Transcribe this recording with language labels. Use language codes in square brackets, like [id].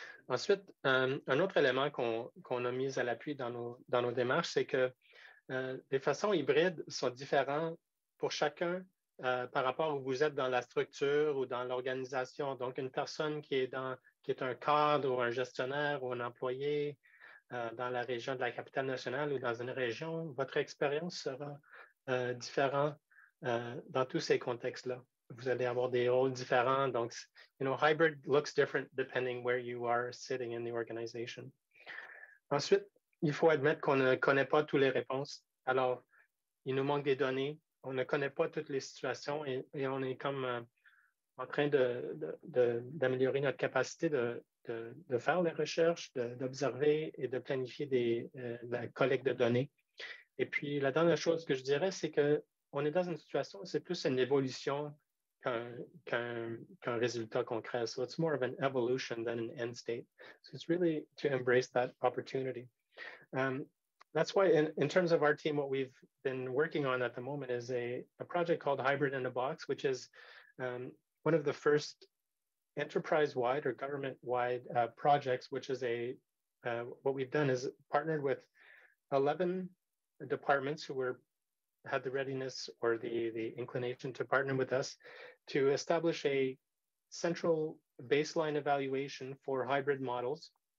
[fr] Ensuite, un autre élément qu'on a mis à l'appui dans nos démarches, c'est que les façons hybrides sont différentes pour chacun par rapport où vous êtes dans la structure ou dans l'organisation. Donc, une personne qui est un cadre ou un gestionnaire ou un employé dans la région de la capitale nationale ou dans une région, votre expérience sera différente dans tous ces contextes-là. Vous allez avoir des rôles différents. [en] Donc, hybrid looks different depending where you are sitting in the organization. [fr] Ensuite, il faut admettre qu'on ne connaît pas toutes les réponses. Alors, il nous manque des données. On ne connaît pas toutes les situations et on est comme en train d'améliorer notre capacité de faire les recherches, d'observer et de planifier la collecte de données. Et puis, la dernière chose que je dirais, c'est qu'on est dans une situation, c'est plus une évolution qu'un résultat concret. [en] So it's more of an evolution than an end state. So it's really to embrace that opportunity. That's why in terms of our team, what we've been working on at the moment is a project called Hybrid in a Box, which is one of the first enterprise-wide or government-wide projects, which is what we've done is partnered with 11 departments who had the readiness or the inclination to partner with us to establish a central baseline evaluation for hybrid models.